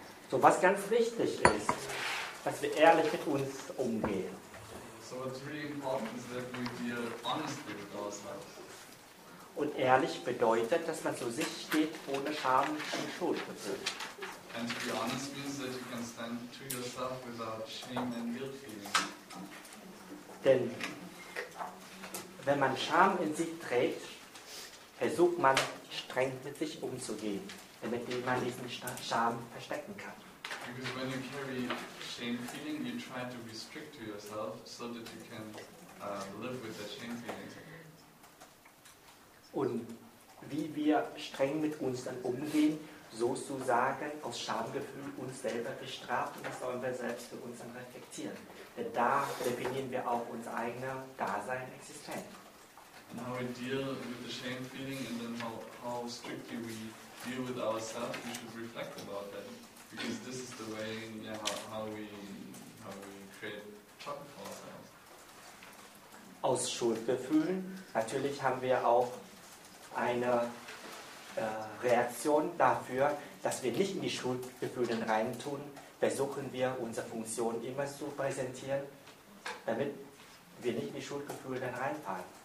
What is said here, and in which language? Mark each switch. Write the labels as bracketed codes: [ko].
[de] So, was ganz wichtig ist, dass wir ehrlich mit uns umgehen. [en] So what's really important is that we be honest with ourselves. [de] Und ehrlich bedeutet, dass man zu sich steht ohne Scham und Schuld. [en] And to be honest means that you can stand to yourself without shame and guilt feeling. [de] Denn wenn man Scham in sich trägt, versucht man streng mit sich umzugehen, damit man diesen Scham verstecken kann. [en] Because when you carry shame feeling, you try to be strict to yourself, so that you can live with that shame feeling. [de] Und wie wir streng mit uns dann umgehen, so zu sagen, aus Schamgefühl uns selber bestrafen, das sollen wir selbst für uns dann reflektieren. Denn da definieren wir auch unser eigener Dasein, Existenz. [en] And how we deal with the shame feeling and then how strictly we deal with ourselves, we should reflect about that. Because this is the way, yeah, how we create trouble for ourselves. [de] Aus Schuldgefühlen, natürlich haben wir auch eine Reaktion dafür, dass wir nicht in die Schuldgefühle reintun, versuchen wir unsere Funktion immer zu präsentieren, damit wir nicht in die Schuldgefühle reinfallen.